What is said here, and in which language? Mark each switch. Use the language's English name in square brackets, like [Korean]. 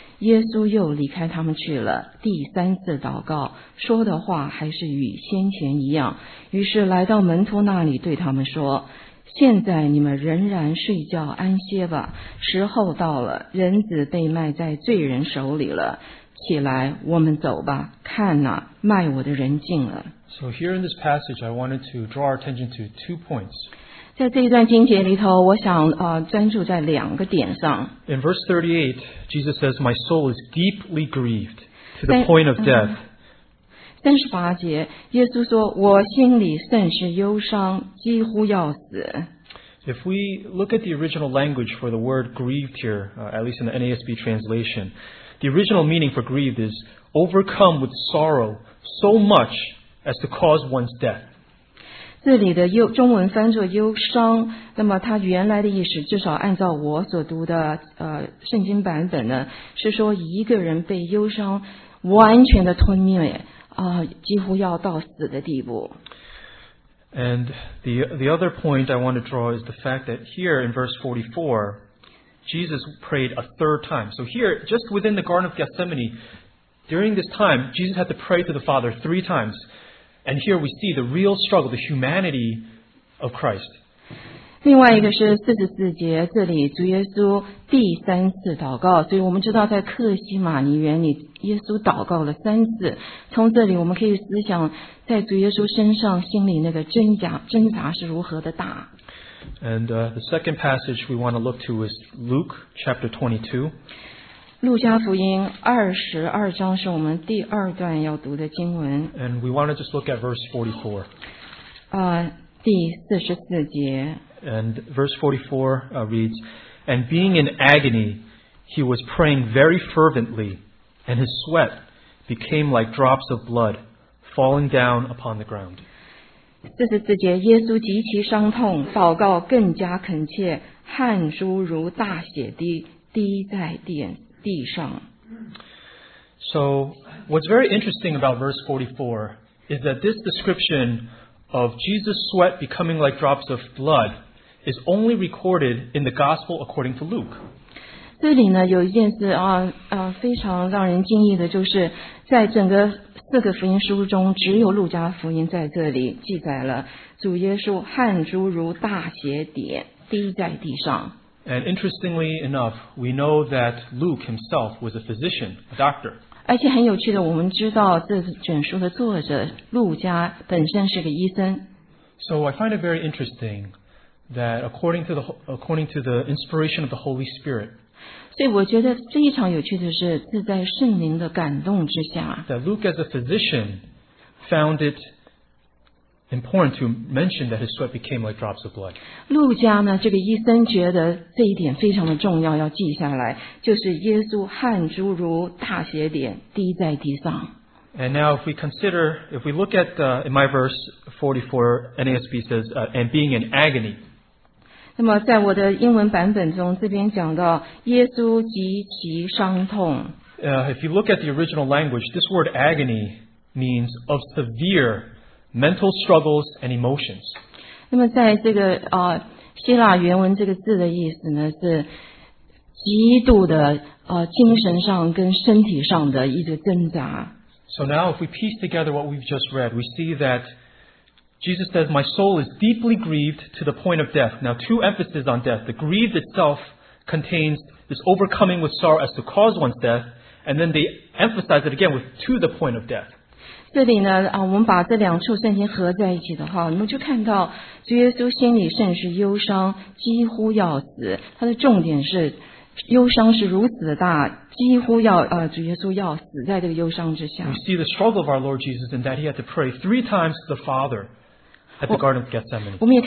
[Chinese] 耶稣又离开他们去了，第三次祷告，说的话还是与先前一样。于是来到门徒那里，对他们说，现在你们仍然睡觉安歇吧，时候到了，人子被卖在罪人手里了。起来，我们走吧。看哪，卖我的人进了。 [English] So here in this passage, I wanted to draw our attention to two points. [Chinese] 在这一段经节里头，我想专注在两个点上。 [English] In verse 38, Jesus says, "My soul is deeply grieved to the point of death." [Chinese] 38节，耶稣说，我心里甚是忧伤，几乎要死。 [English] If we look at the original language for the word "grieved" here, at least in the NASB translation. The original meaning for grieved is overcome with sorrow so much as to cause one's death. [Chinese] 这里的中文翻作忧伤，那么它原来的意思，至少按照我所读的圣经版本呢，是说一个人被忧伤完全的吞灭几乎要到死的地步。 [English] And the other point I want to draw is the fact that here in verse 44,Jesus prayed a third time. So here, just within the Garden of Gethsemane, during this time, Jesus had to pray to the Father three times. And here we see the real struggle, the humanity of Christ. [Chinese] 另外一个是44节，这里主耶稣第三次祷告，所以我们知道在克西马尼园里，耶稣祷告了三次。从这里我们可以思想，在主耶稣身上心里那个挣扎是如何的大。 [English] And the second passage we want to look to is Luke chapter 22. [Chinese] 路加福音22章是我们第二段要读的经文。 [English] And we want to just look at verse 44. [Chinese] 第44节。 [English] And verse 44 reads, And being in agony, he was praying very fervently, and his sweat became like drops of blood falling down upon the ground. [Chinese] 这是自己耶稣极其伤痛祷告更加恳切汗珠如大血滴滴在地上。 [English] So, what's very interesting about verse 44 is that this description of Jesus' sweat becoming like drops of blood is only recorded in the gospel according to Luke. [Chinese] 这里呢有一件事非常让人惊异的就是在整个四个福音书中只有路加福音在这里记载了主耶稣汗珠如大血点滴在地上。 [English] And interestingly enough, we know that Luke himself was a physician, a doctor. [Chinese] 而且很有趣的我们知道这卷书的作者路加本身是个医生。 [English] So I find it very interesting that according to the inspiration of the Holy Spirit, [Chinese] 所以我觉得非常有趣的是，是在圣灵的感动之下。 [English] That Luke as a physician found it important to mention that his sweat became like drops of blood. [Chinese] 路加呢，这个医生觉得这一点非常的重要，要记下来，就是耶稣汗珠如大血点滴在地上。 [English] And now if we look at in my verse 44, NASB says, and being in agony. [Chinese] 那么在我的英文版本中这边讲到耶稣极其伤痛。 [English] If you look at the original language, this word agony means of severe mental struggles and emotions. [Chinese] 那么在这个希腊原文这个字的意思呢是极度的精神上跟身体上的一个挣扎。 [English] So now if we piece together what we've just read, we see that Jesus says, my soul is deeply grieved to the point of death. Now, two emphases on death. The grieved itself contains this overcoming with sorrow as to cause one's death, and then they emphasize it again with to the point of death. [Chinese] 这里呢，我们把这两处圣经合在一起的话，我们就看到主耶稣心里甚是忧伤，几乎要死。他的重点是忧伤是如此的大，几乎要主耶稣要死在这个忧伤之下。 [English] We see the struggle of our Lord Jesus in that he had to pray three times to the Father at the Garden of Gethsemane.